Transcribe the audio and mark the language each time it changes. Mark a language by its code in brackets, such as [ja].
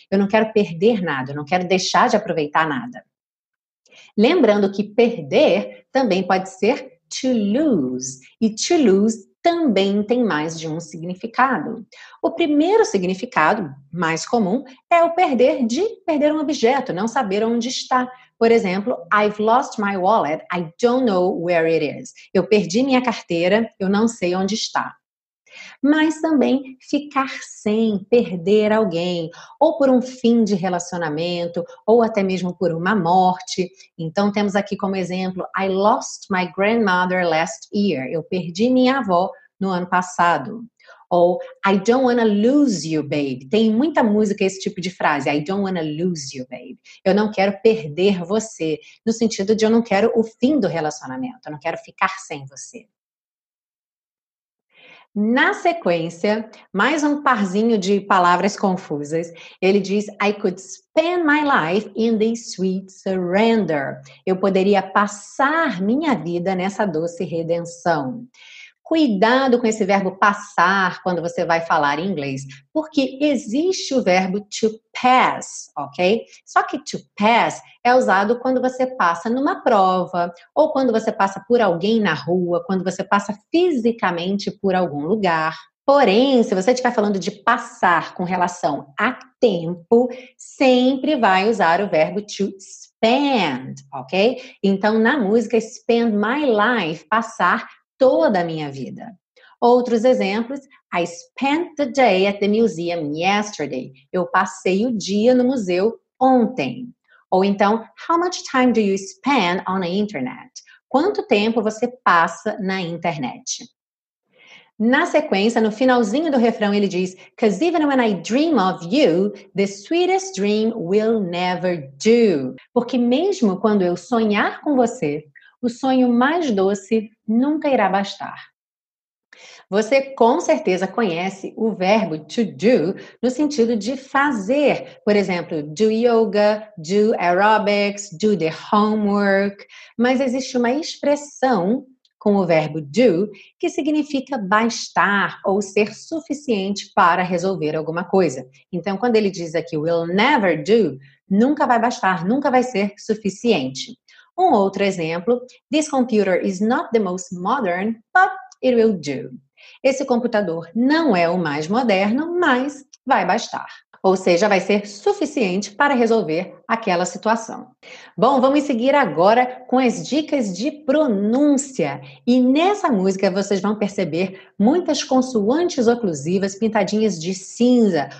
[pt] Eu não quero perder nada, eu não quero deixar de aproveitar nada. Lembrando que perder também pode ser to lose. E to lose também tem mais de um significado. O primeiro significado, mais comum, é o perder de perder um objeto, não saber onde está. [en] Por exemplo, I've lost my wallet, I don't know where it is. [pt] Eu perdi minha carteira, eu não sei onde está. Mas também ficar sem, perder alguém, ou por um fim de relacionamento, ou até mesmo por uma morte. Então temos aqui como exemplo, [en] I lost my grandmother last year. [pt] Eu perdi minha avó no ano passado. [en] Ou I don't wanna lose you, babe. [pt] Tem muita música esse tipo de frase, [en] I don't wanna lose you, babe. [pt] Eu não quero perder você, no sentido de eu não quero o fim do relacionamento, eu não quero ficar sem você. Na sequência, mais um parzinho de palavras confusas. Ele diz, [en] I could spend my life in this sweet surrender. [pt] Eu poderia passar minha vida nessa doce redenção. Cuidado com esse verbo passar quando você vai falar em inglês. Porque existe o verbo to pass, ok? Só que to pass é usado quando você passa numa prova, ou quando você passa por alguém na rua, quando você passa fisicamente por algum lugar. Porém, se você estiver falando de passar com relação a tempo, sempre vai usar o verbo to spend, ok? Então, na música, spend my life, passar toda a minha vida. Outros exemplos, [en] I spent the day at the museum yesterday. [pt] Eu passei o dia no museu ontem. Ou então, [en] how much time do you spend on the internet? [pt] Quanto tempo você passa na internet? Na sequência, no finalzinho do refrão, ele diz, [en] because even when I dream of you, the sweetest dream will never do. [pt] Porque mesmo quando eu sonhar com você, o sonho mais doce nunca irá bastar. Você com certeza conhece o verbo to do no sentido de fazer. [en] Por exemplo, do yoga, do aerobics, do the homework. [pt] Mas existe uma expressão com o verbo do que significa bastar ou ser suficiente para resolver alguma coisa. Então, quando ele diz aqui will never do, nunca vai bastar, nunca vai ser suficiente. Um outro exemplo, [en] this computer is not the most modern, but it will do. [pt] Esse computador não é o mais moderno, mas vai bastar. Ou seja, vai ser suficiente para resolver aquela situação. Bom, vamos seguir agora com as dicas de pronúncia. E nessa música vocês vão perceber muitas consoantes oclusivas pintadinhas de cinza.